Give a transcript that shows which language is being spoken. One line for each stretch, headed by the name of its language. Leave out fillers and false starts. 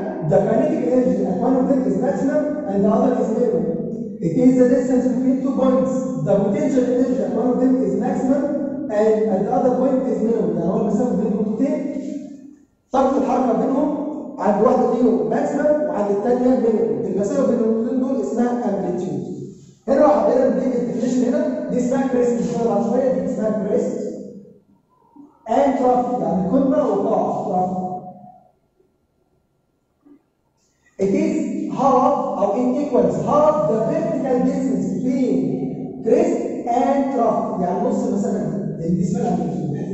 English: The kinetic energy at one of them is maximum and the other is minimum. It is the distance between two points. The potential energy at one of them is maximum and at the other point is minimum.
Arabic: يعني هو المسافة بين النقطتين طرف الحركة بينهم عند واحدة فيهم maximum وعند التانية minimum. المسافة بين النقطتين دول اسمها amplitude. هنا راح أقرأ الديف الديفينيشن هنا دي اسمها كريست إن شاء الله بعد شوية دي اسمها كريست
English: and trough
Arabic: يعني قمة وقاع trough.
English: It is half or it equals half the vertical distance between crest and trough.
Arabic: يعني نص المسافة دي اسمها amplitude.